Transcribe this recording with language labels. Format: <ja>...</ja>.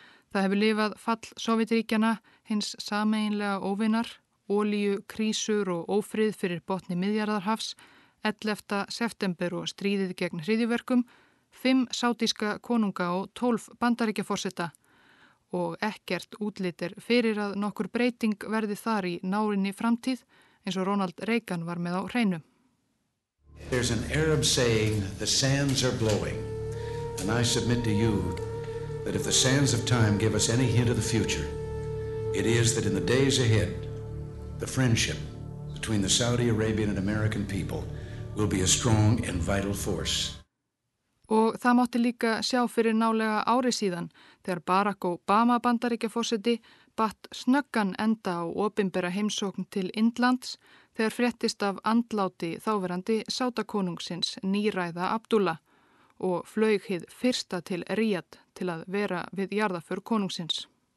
<is>Það hefur lifað fall Sovjetríkjana, hins sameiginlega óvinar, olíu, krísur og ófrið fyrir botni Miðjarðarhafs, 11. september og stríðið gegn hryðjuverkum, 5 sádíska konunga og 12 bandaríkjaforseta og ekkert útlit er fyrir að nokkur breyting verði þar í nárinni framtíð eins og Ronald Reagan var með á hreinu.</is> <en>There's an Arab saying the sands are blowing and I submit to you that if the sands of time give us any hint of the future it is that in the days ahead the friendship between the Saudi Arabian and American people will be a strong and vital force.</en> <is>Og það mátti líka sjá fyrir nálega ári síðan þegar Barack Obama bandaríkjaforseti batt snöggan enda á opinbera heimsókn til Indlands þegar fréttist af andláti þáverandi sátakonungsins nýræða Abdullah og flaug hið fyrsta til Ríad til að vera við jarðaför konungsins.</is>